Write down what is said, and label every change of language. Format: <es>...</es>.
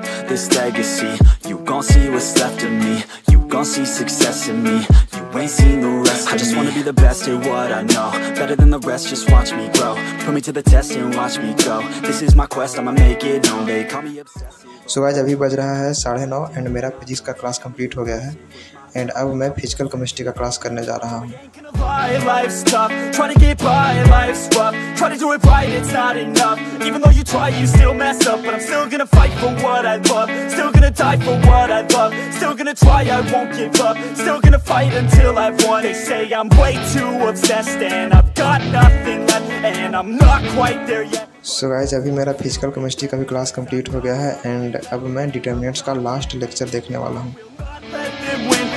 <en>This legacy, you gon' see what's left of me. You gon' see success in me. You ain't seen the rest. I just wanna be the best at what I know. Better than the rest, just watch me grow. Put me to the test and watch me go. This is my quest, I'ma make it known. They call me obsessive. So guys,</en> <hi>अभी बज रहा है 9:30 and मेरा physics का class complete हो गया है. And अब मैं physical chemistry का class करने जा रहा हूँ.</hi> <en>Life's tough, try to get by, life's rough. Try to do it right, it's not enough. Even though you try, you still mess up. But I'm still gonna fight for what I love. Still gonna die for what I love. Still gonna try, I won't give up. Still gonna fight until I've won. They say I'm way too obsessed and I've got nothing left. And I'm not quite there yet.</en> <hi>So guys, अभी मेरा physical chemistry का भी class complete हो गया है and अब मैं determinants का लास्ट लेक्चर देखने वाला हूँ।</hi>